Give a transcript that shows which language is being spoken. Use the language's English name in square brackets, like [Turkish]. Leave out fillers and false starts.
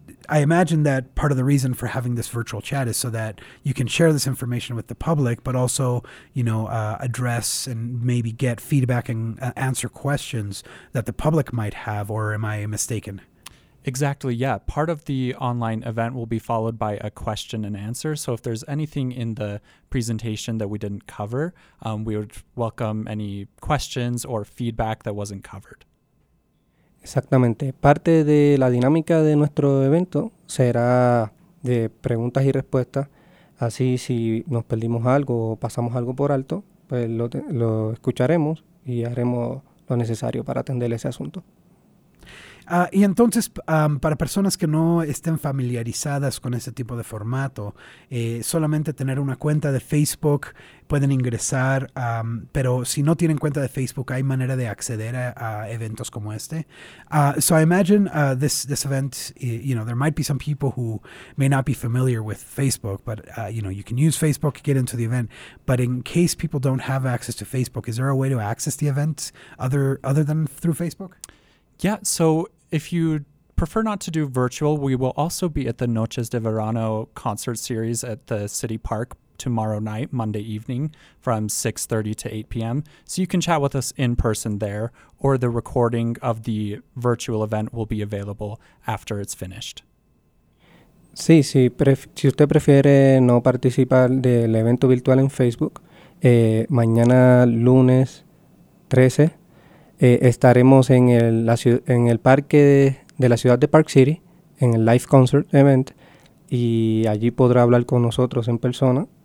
[English] I imagine that part of the reason for having this virtual chat is so that you can share this information with the public, but also, address and maybe get feedback and answer questions that the public might have, or am I mistaken? Exactly, yeah. Part of the online event will be followed by a question and answer. So if there's anything in the presentation that we didn't cover, we would welcome any questions or feedback that wasn't covered. [Spanish] Exactamente. Parte de la dinámica de nuestro evento será de preguntas y respuestas. Así, si nos perdimos algo o pasamos algo por alto, pues lo escucharemos y haremos lo necesario para atender ese asunto. Y entonces, para personas que no estén familiarizadas con ese tipo de formato, solamente tener una cuenta de Facebook pueden ingresar, pero si no tienen cuenta de Facebook, ¿hay manera de acceder a eventos como este? [English] So I imagine this event, you know, there might be some people who may not be familiar with Facebook, but, you know, you can use Facebook to get into the event. But in case people don't have access to Facebook, is there a way to access the event other than through Facebook? Yeah, so if you prefer not to do virtual, we will also be at the Noches de Verano concert series at the City Park tomorrow night, Monday evening, from 6:30 to 8 p.m. So you can chat with us in person there, or the recording of the virtual event will be available after it's finished. [Spanish] Sí, sí. Si usted prefiere no participar del evento virtual en Facebook, mañana lunes 13, estaremos en el parque de la ciudad de Park City, en el Live Concert Event, y allí podrá hablar con nosotros en persona.